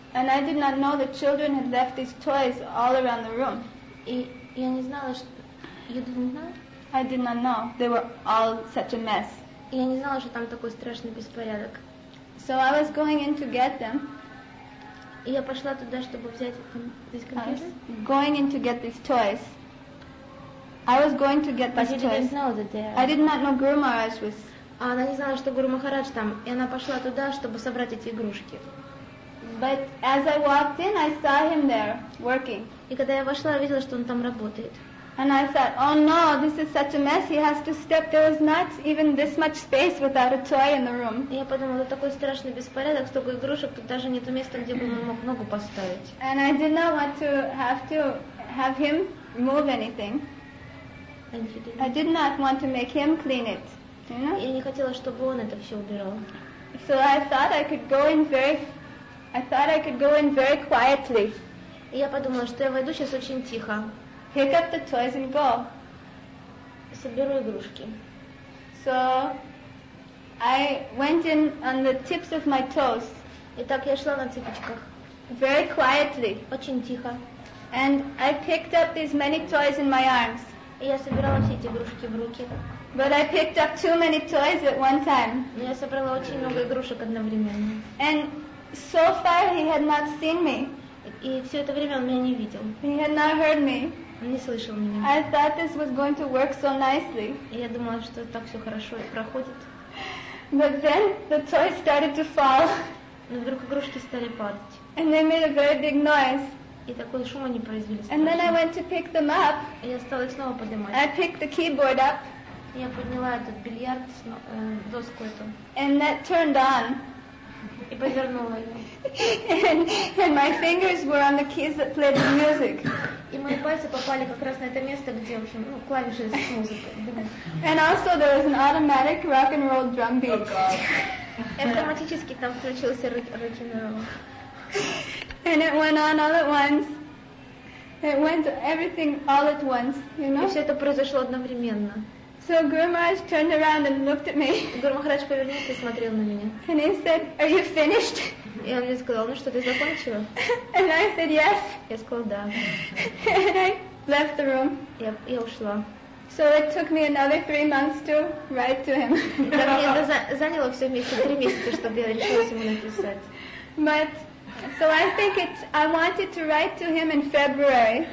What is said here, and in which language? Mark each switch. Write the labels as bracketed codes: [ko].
[en] And I did not know that children had left these toys all around the room. [ru] И я не знала, что... [en] You didn't know? I did not know. They were all such a mess. [ru] И я не знала, что там такой страшный беспорядок. [en] So I was going in to get them. [ru] И я пошла туда, чтобы взять эти компьютеры. [en] I was going in to get these toys. I was going to get these toys. But you didn't know that they... I did not know Guru Maharaj was... [ru] А она не знала, что Гуру Махарадж там, и она пошла туда, чтобы собрать эти игрушки. [en] But as I walked in, I saw him there working. [ru] И когда я вошла, я видела, что он там работает. [en] And I thought, oh no, this is such a mess. He has to step. There was not even this much space without a toy in the room. [ru] И я подумала, это такой страшный беспорядок, столько игрушек, тут даже нету места, где бы он мог ногу поставить. [en] And I did not want to have him move anything. And you didn't. I did not want to make him clean it. Yeah. [ru] Я не хотела, чтобы он это все убирал. [en] So I thought I could go in very, quietly. [ru] И я подумала, что я войду сейчас очень тихо. [en] Pick up the toys and go. [ru] Соберу игрушки. [en] So I went in on the tips of my toes. [ru] И так я шла на цыпочках. [en] Very quietly. [ru] Очень тихо. [en] And I picked up these many toys in my arms. [ru] И я собирала все эти игрушки в руки. [en] But I picked up too many toys at one time. [ru] Я собрала очень много игрушек одновременно. [en] And so far he had not seen me. [ru] И все это время он меня не видел. [en] He had not heard me. [ru] Он не слышал меня. [en] I thought this was going to work so nicely. [ru] И я думала, что так все хорошо проходит. [en] But then the toys started to fall. [ru] Но вдруг игрушки стали падать. [en] And they made a very big noise. [ru] И такой шум они произвели. [en] And then I went to pick them up. [ru] И я стала их снова поднимать. [en] I picked the keyboard up. [ru] Я подняла этот бильярд, доску эту. [en] And that turned on. [ru] И повернула ее. [en] And my fingers were on the keys that played the music. [ru] И мои пальцы попали как раз на это место, где, в общем, ну, клавиши с музыкой. [en] And also there was an automatic rock and roll drum beat. [ru] И автоматически там включился рок-н-ролл. [en] And it went on all at once. It went everything all at once, you know? [ru] И все это произошло одновременно. [en] So Guru Maharaj turned around and looked at me. [ru] Guru Maharaj повернулся и смотрел на меня. [en] And he said, "Are you finished?" [ru] И он мне сказал, ну что, ты закончила? [en] And I said, "Yes." [ru] Я сказала, да. [en] And I left the room. [ru] Я ушла. [en] So it took me another 3 months to write to him. [ru] Так мне это заняло все вместе 3 месяца, чтобы я решила ему написать. [en] But so I think I wanted to write to him in February.